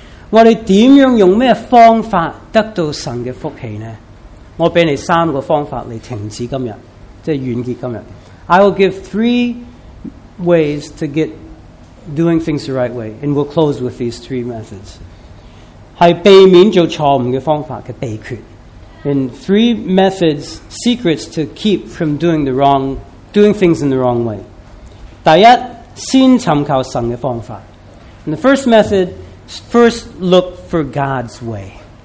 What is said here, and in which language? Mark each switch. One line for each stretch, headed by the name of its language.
Chinese: 我哋点样用咩方法得到神嘅福气呢？我俾你三个方法嚟停止今日，即系完结今日。I
English: will give three ways to get doing things the right way, and we'll close with these three methods.
Chinese: 是避免做錯誤的方法的秘訣.
English: And three methods, secrets to keep from doing things in the wrong way.
Chinese: 第一,先尋求神的方法.
English: And the first method, first look for God's way.